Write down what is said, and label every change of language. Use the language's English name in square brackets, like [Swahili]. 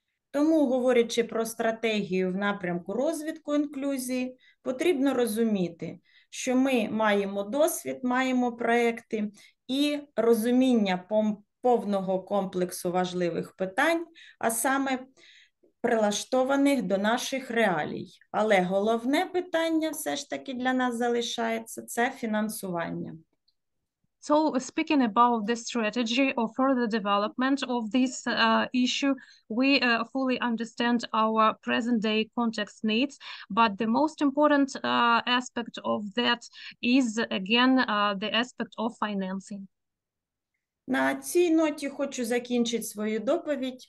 [Ukrainian] Тому, говорячи про стратегію в напрямку розвитку інклюзії, потрібно розуміти, що ми маємо досвід, маємо проекти і розуміння повного комплексу важливих питань, а саме прилаштованих до наших реалій. Але головне питання все ж таки для нас залишається – це фінансування. [English] So speaking about the strategy of further development of this issue, we fully understand our present day context needs, but the most important aspect of that is again the aspect of financing. [Ukrainian] На цій ноті хочу закінчити свою доповідь.